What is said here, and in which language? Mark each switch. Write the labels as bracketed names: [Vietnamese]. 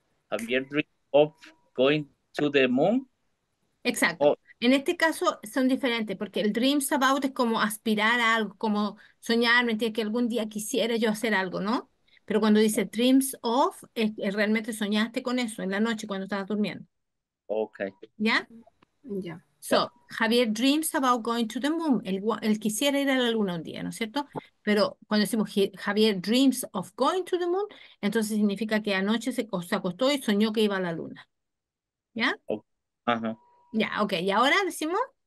[English] Javier dream of going to the moon. [Spanish] Exacto. En este caso son diferentes porque el dreams about es como aspirar a algo, como soñar, ¿me entiendes? Que algún día quisiera yo hacer algo, ¿no? Pero cuando dice dreams of, es realmente soñaste con eso en la noche cuando estabas durmiendo. Okay. ¿Ya? Ya. [English] So, Javier dreams about going to the moon. [Spanish] Él quisiera ir a la luna un día, ¿no es cierto? Pero cuando decimos [English] Javier dreams of going to the moon, [Spanish] entonces significa que anoche se acostó y soñó que iba a la luna. ¿Ya? Ya, ok. ¿Y ahora decimos?